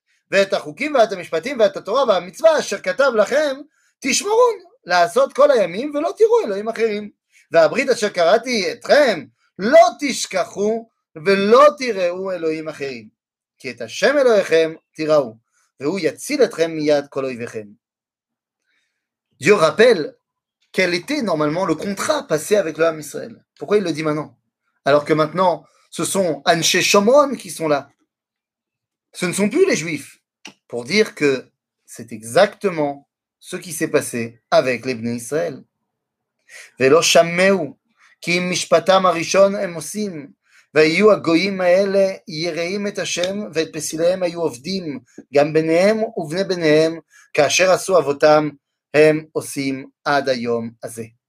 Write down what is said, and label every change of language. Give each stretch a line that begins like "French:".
Hebrew: ואת החוקים ואת המשפטים ואת התורה והמצווה אשר כתב לכם, תשמרו לעשות כל הימים ולא תראו אלוהים אחרים. והברית אשר קראתי אתכם, לא תשכחו ולא תראו אלוהים אחרים. כי את השם אלוהיכם תיראו, והוא יציל אתכם מיד כל אויביכם.
French: Dieu rappelle quel était normalement le contrat passé avec le peuple Israël. Pourquoi il le dit maintenant? Alors que maintenant, ce sont Anshe Shomron qui sont là. Ce ne sont plus les Juifs. Pour dire que c'est exactement ce qui s'est passé avec les Bnei Israël.
Hebrew: Velo Shammeu, ki mishpatam arishon emosim. והיו הגויים האלה יראים את השם ואת פסיליהם היו עובדים גם ביניהם ובני ביניהם כאשר עשו אבותם הם עושים עד היום הזה.